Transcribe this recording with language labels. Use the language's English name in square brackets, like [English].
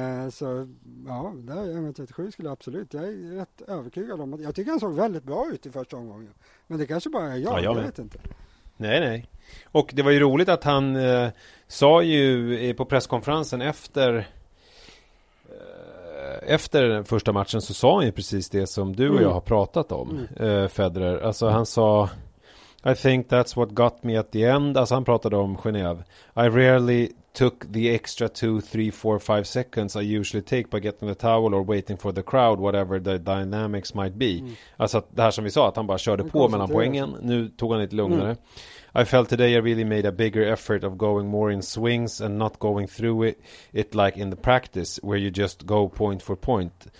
[Swedish] Så ja, där 1,37 skulle jag absolut. Jag är rätt övertygad om att jag tycker han såg väldigt bra ut i första omgången. Men det kanske bara är jag, jag vet inte. Nej, nej. Och det var ju roligt att han sa ju på presskonferensen efter efter den första matchen, så sa han ju precis det som du och jag har pratat om, Federer. Alltså han sa, [English] I think that's what got me at the end. [Swedish] Alltså han pratade om Genève. [English] I rarely took the extra 2, 3, 4, 5 seconds I usually take by getting the towel or waiting for the crowd, whatever the dynamics might be. Mm. [Swedish] Alltså det här som vi sa, att han bara körde på mellan poängen. Nu tog han lite lugnare. Mm. [English] I felt today I really made a bigger effort of going more in swings and not going through it like in the practice where you just go point for point.